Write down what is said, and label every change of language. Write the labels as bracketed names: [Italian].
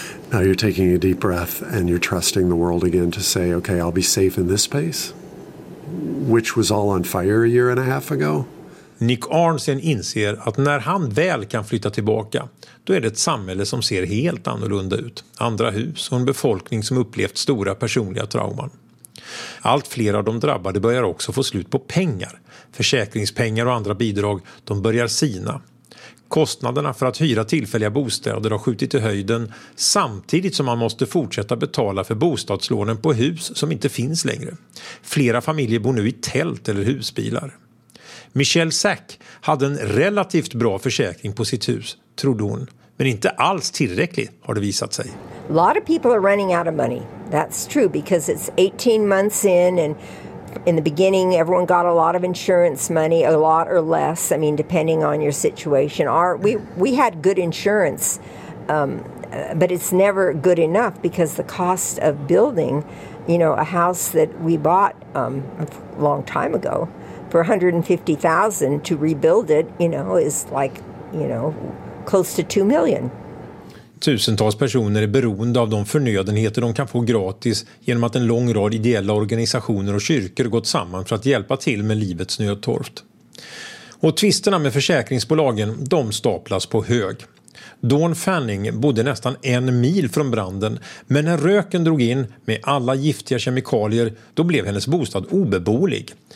[English] Now you're taking a deep breath and you're trusting the world again to say, okay, I'll be safe in this space. Which was all on fire a year and a half ago. [Swedish] Nick Arnson inser att när han väl kan flytta tillbaka, då är det ett samhälle som ser helt annorlunda ut. Andra hus och en befolkning som upplevt stora personliga trauman. Allt fler av de drabbade börjar också få slut på pengar. Försäkringspengar och andra bidrag, de börjar sina. Kostnaderna för att hyra tillfälliga bostäder har skjutit i höjden samtidigt som man måste fortsätta betala för bostadslånen på hus som inte finns längre. Flera familjer bor nu i tält eller husbilar. Michelle Sack hade en relativt bra försäkring på sitt hus, trodde hon. Men inte alls tillräckligt har det visat sig. [English] A lot of people are running out of money. That's true because it's 18 months in and in the beginning everyone got a lot of insurance money, a lot or less. I mean depending on your situation. We had good insurance. But it's never good enough because the cost of building, you know, a house that we bought a long time ago for $150,000 to rebuild it, you know, is like, you know, close to 2 million. [Swedish] Tusentals personer är beroende av de förnödenheter de kan få gratis genom att en lång rad ideella organisationer och kyrkor gått samman för att hjälpa till med livets nödtorft. Och tvisterna med försäkringsbolagen, de staplas på hög. Dawn Fanning bodde nästan en mil från branden, men när röken drog in med alla giftiga kemikalier, då blev hennes bostad obeboelig.